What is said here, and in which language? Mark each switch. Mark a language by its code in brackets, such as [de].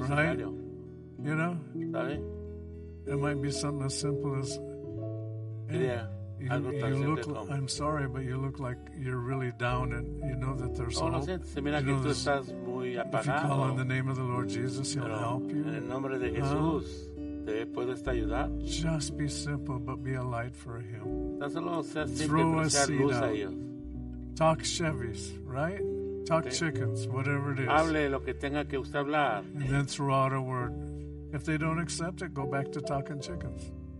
[en] right? You know? [es] ¿Sabe? [en] It might be something as simple as... I'm sorry, but you look like you're really down and you know that there's no, hope. [es] Siento, mira que tú estás muy apagado. [en] If you call on the name of the Lord Jesus, he'll help you. [es] En el nombre de Jesús, te puedo estar ayudar. [en] Just be simple, but be a light for him. [es] Tan solo sea simple, [en] throw a seed [es] luz [en] out. [es] A ellos. [en] Talk Chevys, right? Talk okay. Chickens, whatever it is. [es] Hable lo que tenga que usted hablar. [en] And then throw out a word. If they don't accept it, go back to talking chickens.